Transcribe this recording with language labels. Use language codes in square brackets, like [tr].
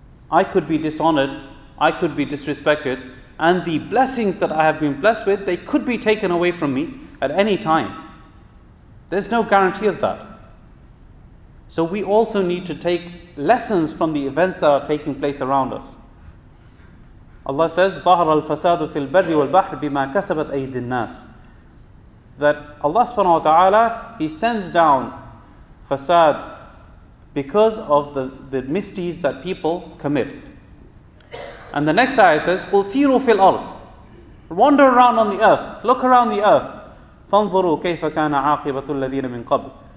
[en] I could be dishonored, I could be disrespected, and the blessings that I have been blessed with, they could be taken away from me at any time. There's no guarantee of that. So we also need to take lessons from the events that are taking place around us. [ar] Allah says, ظَهْرَ الْفَسَادُ فِي الْبَرِّ وَالْبَحْرِ بِمَا كَسَبَتْ أَيْدِ النَّاسِ. [en] That Allah subhanahu wa ta'ala, He sends down fasad because of the misdeeds that people commit. And the next ayah says, [ar] قُلْ سِيرُوا فِي الْأَرْضِ. [en] Wander around on the earth. Look around the earth. [ar] فَانْظُرُوا كَيْفَ كَانَ عَاقِبَةُ الَّذِينَ مِنْ قَبْلِ.